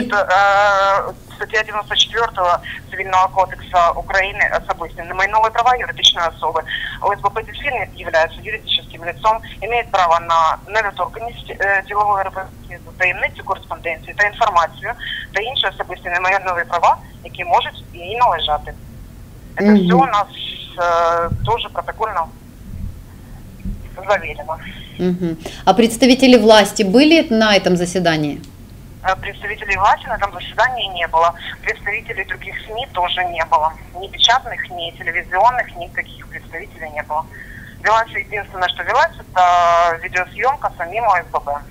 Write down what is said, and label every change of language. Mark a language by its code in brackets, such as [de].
[ru] Значит, статья 94 Цивильного кодекса Украины особенно майновые права [uk] юридичной особы. [ru] ОСББ Дельфин является юридическим лицом, имеет право на [uk] недоторканність ділової репутації, таємницю кореспонденції та інформацію та інші особисті майнові права, які можуть їй належати. Це все у нас дуже протокольно завірено. [ru] А представители власти были на этом заседании? Представителей власти на этом заседании не было. Представителей других СМИ тоже не было. Ни печатных, ни телевизионных, никаких представителей не было. Велась, единственное, что велась, это видеосъемка самим ОСББ.